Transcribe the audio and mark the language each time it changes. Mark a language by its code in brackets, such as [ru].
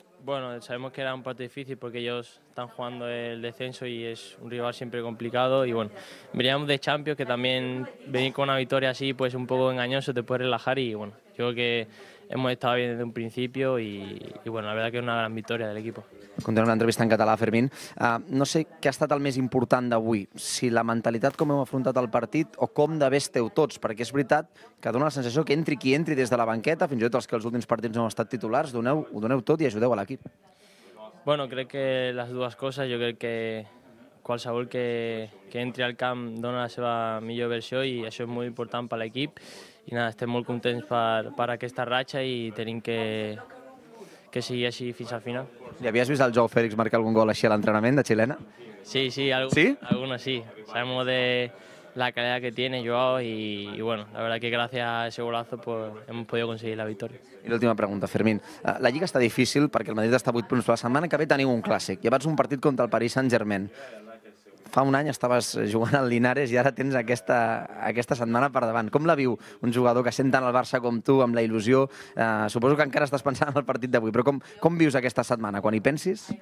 [es] Bueno, sabemos que era un partido difícil porque ellos están jugando el descenso y es un rival siempre complicado. Y bueno, veníamos de Champions, que también venir con una victoria así, pues un poco engañoso, te puedes relajar. Y bueno, yo creo que hemos estado bien desde un principio y bueno, la verdad que es una gran victoria del equipo. [ca] Contra una entrevista en català, Fermín. No sé què ha estat el més important d'avui, si la mentalitat com hem afrontat el partit o com d'haver esteu tots, perquè és veritat que dona la sensació que entri qui entri des de la banqueta, fins i tot els que els últims partits no han estat titulars, ho doneu tot i ajudeu a l'equip. Bueno, crec que les dues coses, jo crec que qualsevol que entri al camp dona la seva millor versió i això és molt important per l'equip. I nada, estem molt contents per aquesta ratxa i hem que sigui així fins al final. I havies vist el Joao Félix marcar algun gol així a l'entrenament de xilena? Sí, algun sí. [es] Sabem de la calidad que tiene Joao y bueno, la verdad que gracias a ese golazo pues hemos podido conseguir la victoria. [ca] I l'última pregunta, Fermín. La Lliga està difícil perquè el Madrid està 8 punts. La setmana que ve teniu un clàssic. Llavors un partit contra el Paris Saint-Germain. Fa un any estaves jugant al Linares i ara tens aquesta setmana per davant. Com la viu un jugador que sent tant el Barça com tu, amb la il·lusió? Suposo que encara estàs pensant en el partit d'avui, però com vius aquesta setmana, quan hi pensis?